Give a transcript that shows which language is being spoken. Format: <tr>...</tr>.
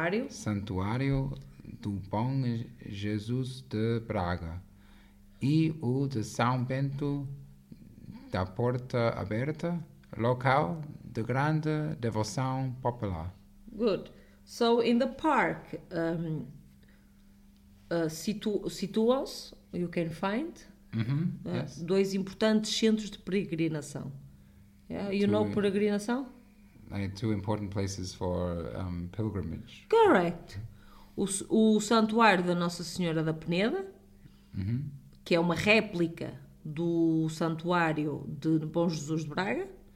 <pt>Santuário do Bom Jesus de Braga e o de São Bento da Porta Aberta, local de grande devoção popular.</pt> <en>Good. So, in the park, situam-se, you can find, yes,</en> <pt>dois importantes centros de peregrinação.</pt> <en>Yeah? You know peregrinação? Two important places for pilgrimage. Correct.</en> <pt>O Santuário da Nossa Senhora da Peneda, que é uma réplica do Santuário de Bom Jesus de Braga.</pt>